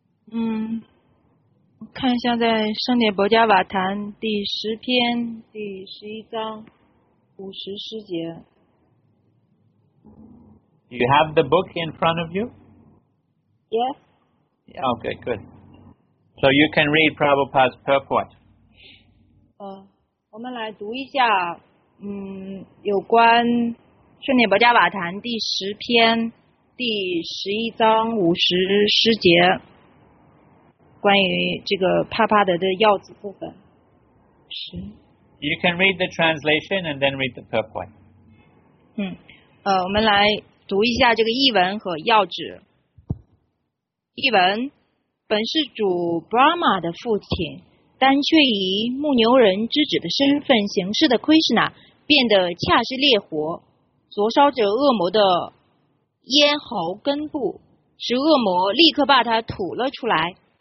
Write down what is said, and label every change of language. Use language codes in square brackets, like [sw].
[zh] I 看一下在《圣典薄伽瓦坛》第十篇第十一章五十诗节。 [en] Do you have the book in front of you? Yes. Okay, good. So you can read Prabhupada's purport. [zh] 我们来读一下，有关《圣典薄伽瓦坛》第十篇第十一章五十诗节，关于这个帕帕德的药子部分。 [en] You can read the translation and then read the purport. [zh] 我们来。读一下这个译文和要旨。译文：本是主 Brahma 的父亲，但却以牧牛人之子的身份行事的 Krishna 变得恰是烈火，灼烧着恶魔的咽喉根部，使恶魔立刻把他吐了出来。